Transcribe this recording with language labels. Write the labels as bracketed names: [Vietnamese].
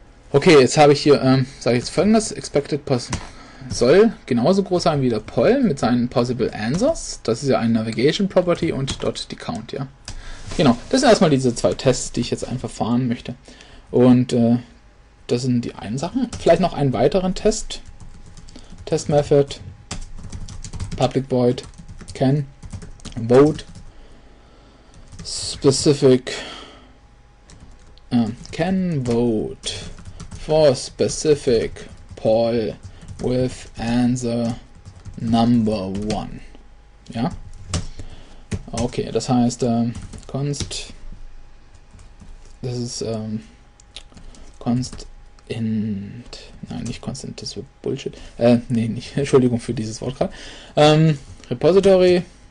[German] Okay, jetzt habe ich hier, sage ich jetzt folgendes. Expected soll genauso groß sein wie der Poll mit seinen possible answers. Das ist ja eine Navigation Property und dort die Count, ja. Genau, das sind erstmal diese zwei Tests, die ich jetzt einfach fahren möchte. Und das sind die einen Sachen. Vielleicht noch einen weiteren Test. [English] Test Method. Public void can vote specific can vote for specific poll with answer number one. [German] Ja? Okay, das heißt, const, das ist const int, nein, nicht const int, das wird Bullshit, Entschuldigung für dieses Wort gerade, Repository